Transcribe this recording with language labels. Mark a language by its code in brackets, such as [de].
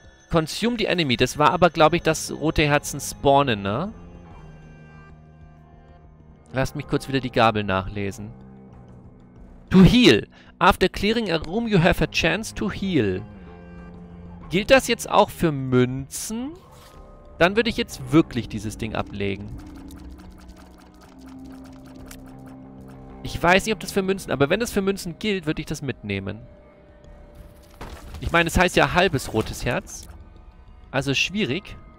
[en] Consume the enemy. [de] Das war aber, glaube ich, das rote Herzen spawnen, ne? Lasst mich kurz wieder die Gabel nachlesen. [en] To heal. After clearing a room, you have a chance to heal. [de] Gilt das jetzt auch für Münzen? Dann würde ich jetzt wirklich dieses Ding ablegen. Ich weiß nicht, ob das für Münzen... Aber wenn das für Münzen gilt, würde ich das mitnehmen. Ich meine, es heißt ja halbes rotes Herz. Also schwierig.